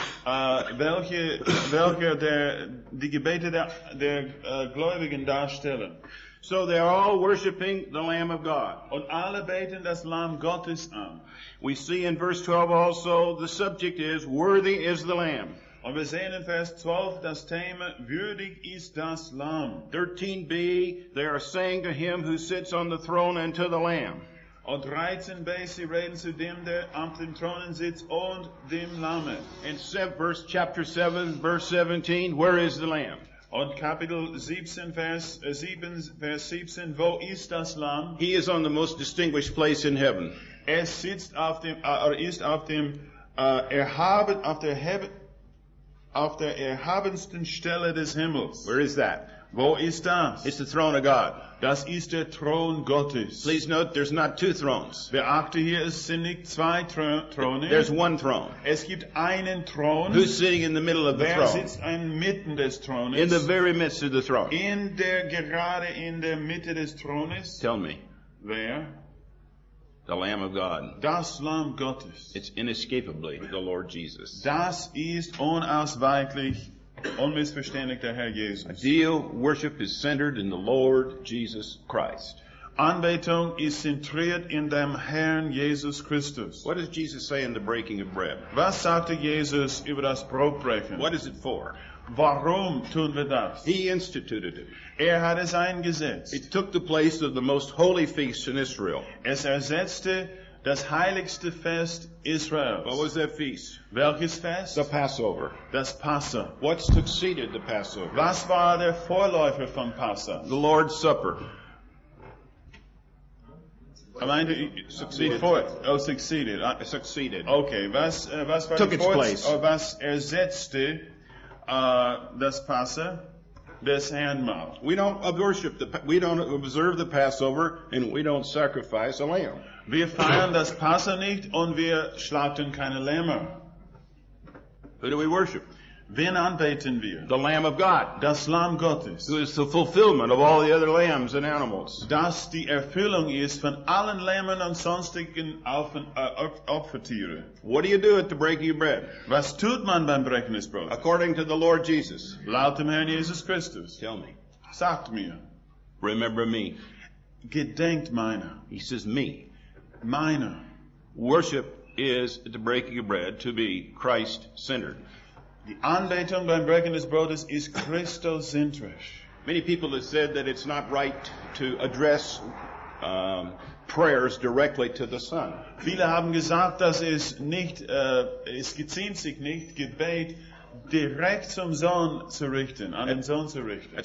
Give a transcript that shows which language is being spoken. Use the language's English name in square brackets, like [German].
[German] die Gebete der Gläubigen darstellen. [English] So they are all worshiping the Lamb of God. [German] Und alle beten das Lamm Gottes an. [English] We see in verse 12 also the subject is, worthy is the Lamb. [German] Und wir sehen in Vers 12 das Thema, würdig ist das Lamm. [English] 13b, they are saying to him who sits on the throne and to the Lamb. [German] Und 13b, sie reden zu dem, der auf dem Thronen sitzt und dem Lamm. [English] In chapter 7, verse 17, where is the Lamb? [German] Und Kapitel 17, Vers 17, wo ist das Lamm? [English] He is on the most distinguished place in heaven. [German] Er sitzt auf dem, ist auf dem, auf der Heaven, auf der erhabensten Stelle des Himmels. [English] Where is that? [German] Wo ist das? [English] It's the throne of God. [German] Das ist der Thron Gottes. [English] Please note, there's not two thrones. [German] Beachte hier, es sind nicht zwei Throne. [English] There's one throne. [German] Es gibt einen Thron. [English] Who's sitting in the middle of the throne? [German] Wer sitzt inmitten des Thrones? [English] In the very midst of the throne. [German] Gerade in der Mitte des Thrones. [English] Tell me. [German] Wer? [English] The Lamb of God. [German] Das Lamm Gottes. [English] It's inescapably the Lord Jesus. [German] Das ist unausweichlich, unmissverständlich der Herr Jesus. [English] Ideal worship is centered in the Lord Jesus Christ. [German] Anbetung ist zentriert in dem Herrn Jesus Christus. [English] What does Jesus say in the breaking of bread? [German] Was sagte Jesus über das Brotbrechen? [English] What is it for? [German] Warum tun wir das? [English] He instituted it. [German] Er hat es eingesetzt. [English] It took the place of the most holy feast in Israel. [German] Es ersetzte das heiligste Fest Israels. [English] What was that feast? [German] Welches Fest? [English] The Passover. [German] Das Passa. [English] What succeeded the Passover? [German] Was war der Vorläufer von Passa? [English] The Lord's Supper. [German] Gemeinde, succeeded. [English] It succeeded. [German] Okay, was war [English] took its place. [German] Or was ersetzte das Passa? This handmahl. [English] We don't worship the, we don't observe the Passover, and we don't sacrifice a lamb. [German] Wir feiern das Passa nicht und wir schlachten keine Lämmer. [English] Who do we worship? [German] Wen anbeten wir? [English] The Lamb of God. [German] Das Lamm Gottes. [English] Who is the fulfillment of all the other lambs and animals. [German] Das die Erfüllung ist von allen Lämmern und sonstigen Opfertieren. [English] What do you do at the breaking of bread? [German] Was tut man beim Brechen des Brotes? [English] According to the Lord Jesus. [German] Laut dem Herrn Jesus Christus. [English] Tell me. [German] Sagt mir. [English] Remember me. [German] Gedenkt meiner. [English] He says me. [German] Meiner. [English] Worship is at the breaking of bread to be Christ-centered. [German] Die Anbetung beim Brechen des Brotes ist Christozentrisch. [English] Many people have said that it's not right to address prayers directly to the Son. [German] Viele haben gesagt, dass es nicht, es geziemt sich nicht, Gebet direkt zum Sohn zu richten, an den Sohn zu richten.